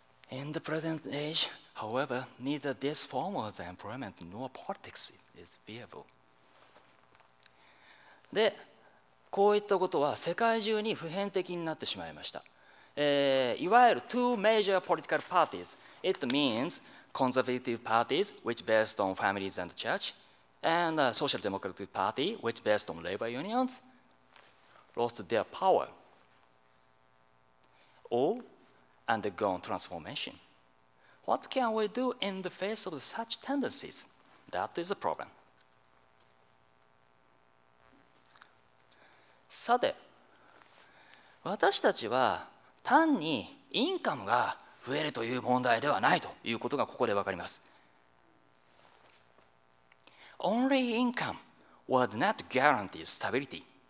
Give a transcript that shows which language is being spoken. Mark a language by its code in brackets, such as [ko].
[en] In the present age, however, neither this form of employment nor politics is viable. [ja] で、こういったことは世界中に普遍的になってしまいました。いわゆる [en] two major political parties, it means conservative parties, which based on families and church, and social democratic party, which based on labor unions, lost their power or undergone transformation. What can we do in the face of such tendencies? That is a problem. [ja] さて、私たちは単にインカムが増えるという問題ではないということがここでわかります。 [en] Only income would not guarantee stability.